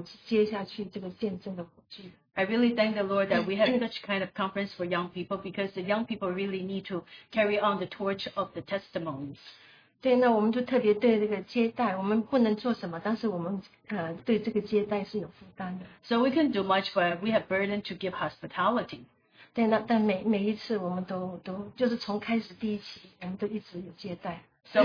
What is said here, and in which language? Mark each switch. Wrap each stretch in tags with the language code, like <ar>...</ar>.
<zh>我觉得真宝贝，我们这个教会就是有这样的聚会，因为孩子们真的是要举起见证的火，接下去这个见证的火炬。</zh> <en>I really thank the Lord that we have such kind of conference for young people because the young people really need to carry on the torch of the testimonies.</en> <zh>对，那我们就特别对这个接待，我们不能做什么，但是我们对这个接待是有负担的。So</zh> <en>we can do much, but we have burden to give hospitality.</en> <zh>对，那但每一次我们都就是从开始第一期，我们都一直有接待。So</zh>